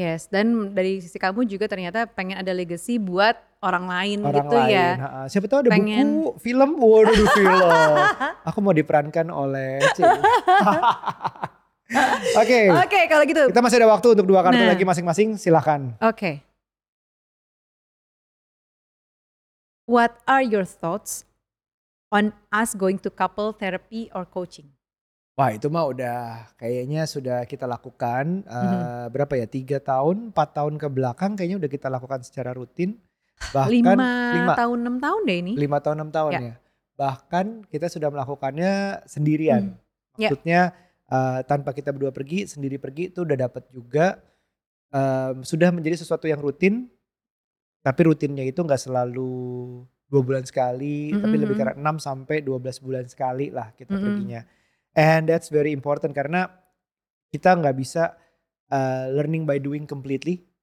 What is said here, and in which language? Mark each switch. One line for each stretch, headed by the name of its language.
Indonesian: Yes, dan dari sisi kamu juga ternyata pengen ada legacy buat orang lain orang gitu lain. Ya. Siapa tahu ada pengen buku, film, waduh film. Aku mau diperankan oleh Oke. Oke, kalau gitu. Kita masih ada waktu untuk 2 kartu lagi masing-masing, silakan. Oke.
English: Okay. What are your thoughts on us going to couple therapy or coaching?
Indonesian: Wah, itu mah udah kayaknya sudah kita lakukan berapa ya, 3 tahun, 4 tahun ke belakang kayaknya udah kita lakukan secara rutin. Bahkan 5 tahun 6 tahun ya. Bahkan kita sudah melakukannya sendirian. Maksudnya tanpa kita berdua pergi, sendiri pergi itu udah dapat juga. Sudah menjadi sesuatu yang rutin, tapi rutinnya itu gak selalu 2 bulan sekali, tapi lebih kira 6 sampai 12 bulan sekali lah kita perginya.
English: And that's very important
Indonesian: karena kita gak bisa
English: learning by doing completely.